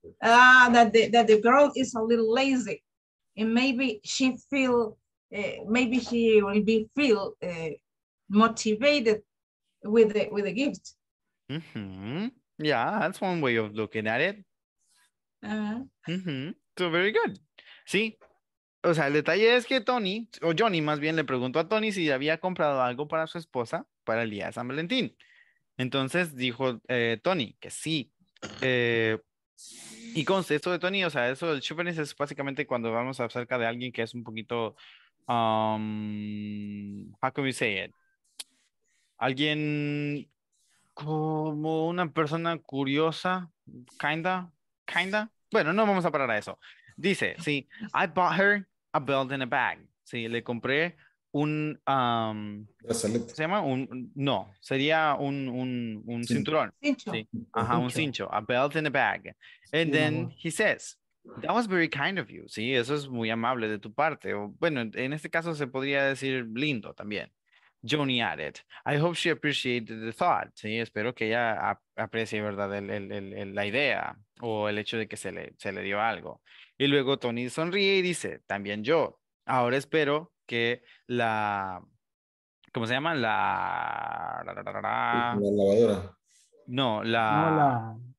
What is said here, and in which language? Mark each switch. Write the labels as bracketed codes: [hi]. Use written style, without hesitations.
[en] That the girl is a little lazy, and maybe she will be motivated with the gift. Mm-hmm. Yeah, that's one way of looking at it. So very good. Sí. [es] O sea, el detalle es que Tony, o Johnny más bien, le preguntó a Tony si había comprado algo para su esposa para el día de San Valentín. Entonces dijo Tony que sí. Y con esto de Tony, o sea, eso del chauvinist es básicamente cuando vamos acerca de alguien que es un poquito, [en] how can we say it? [es] Alguien como una persona curiosa, kinda. Bueno, no vamos a parar a eso. Dice, sí, [en] I bought her a belt and a bag. [es] Sí, le compré un cinturón. Cincho. Sí. Ajá, un cincho. [en] A belt and a bag. And then he says, that was very kind of you. [es] Sí, eso es muy amable de tu parte. O, bueno, en este caso se podría decir lindo también. [en] Johnny added, I hope she appreciated the thought. [es] Sí, espero que ella aprecie, ¿verdad? La idea o el hecho de que se le dio algo. Y luego Tony sonríe y dice, también yo. Ahora espero que la, ¿cómo se llama? La lavadora.